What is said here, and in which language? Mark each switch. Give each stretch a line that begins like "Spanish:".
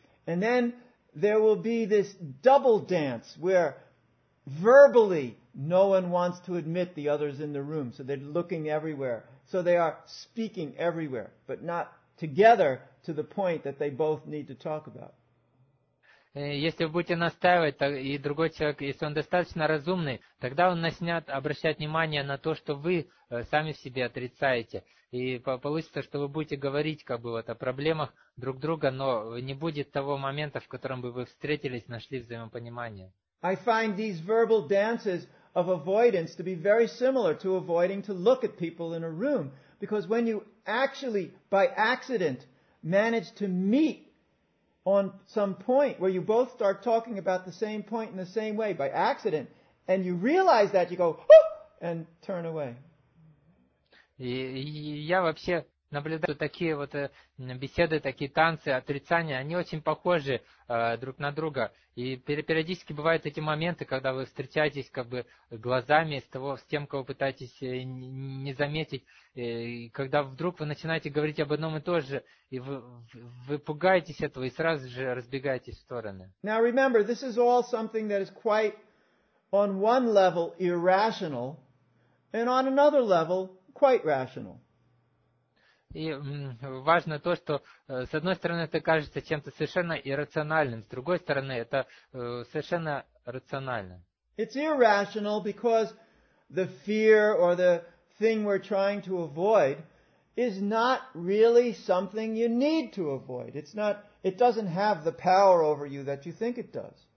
English: And then there will be this double dance where verbally no one wants to admit the others in the room, so they're looking everywhere. So they are speaking everywhere, but not together to the point that they both need to talk about.
Russian: Если вы будете настаивать, то и другой человек, если он достаточно разумный, тогда он начнет обращать внимание на то, что вы сами в себе отрицаете. И получится, что вы будете говорить как бы вот о проблемах друг друга, но не будет того момента, в котором бы вы встретились, нашли взаимопонимание.
English: I find these verbal dances of avoidance to be very similar to avoiding to look at people in a room. Because when you actually, by accident, manage to meet on some point where you both start talking about the same point in the same way, by accident, and you realize that, you go, oh, and turn away.
Russian: Я вообще наблюдаю такие вот беседы, такие танцы, отрицания, они очень похожи друг на друга. И периодически бывают эти моменты, когда вы встречаетесь как бы глазами с тем, кого пытаетесь не заметить, и когда вдруг вы начинаете говорить об одном и том же, и вы пугаетесь этого и сразу же разбегаетесь в стороны.
English: Now remember, this is all something that is quite on one level irrational, and on another level quite rational.
Russian: И важно то, что с одной стороны это кажется чем-то совершенно иррациональным, с другой стороны это совершенно рационально.
English: It's irrational because the fear or the thing we're trying to avoid is not really something you need to avoid. It's not, it doesn't have the power over you that you think it does.